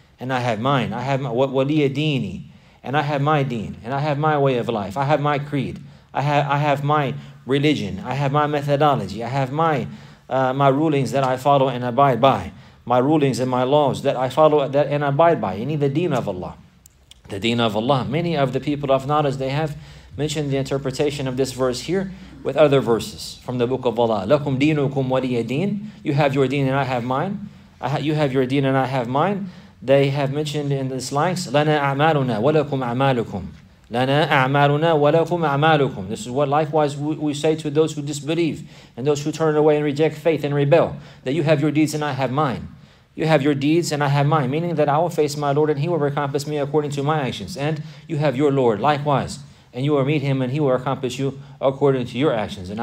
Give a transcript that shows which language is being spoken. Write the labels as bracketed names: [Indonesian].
[English] I have my [Arabic] وَلِيَ دِينِ. [English] And I have my deen, and I have my way of life, I have my creed, I have my religion, I have my methodology, I have my rulings that I follow and abide by, my rulings and my laws that I follow that and abide by. You need the deen of Allah. The deen of Allah. Many of the people of knowledge, they have mentioned the interpretation of this verse here with other verses from the book of Allah. [Arabic] لَكُمْ دِينُكُمْ وَلِيَ دِينٌ. [English] You have your deen and I have mine. You have your deen and I have mine. They have mentioned in this likes, [Arabic] لَنَا أَعْمَالُنَا وَلَكُمْ أَعْمَالُكُمْ لَنَا أَعْمَالُنَا وَلَكُمْ أَعْمَالُكُمْ. [English] This is what likewise we say to those who disbelieve and those who turn away and reject faith and rebel, that you have your deeds and I have mine. You have your deeds and I have mine, meaning that I will face my Lord and He will recompense me according to my actions. And you have your Lord likewise, and you will meet Him and He will accomplish you according to your actions.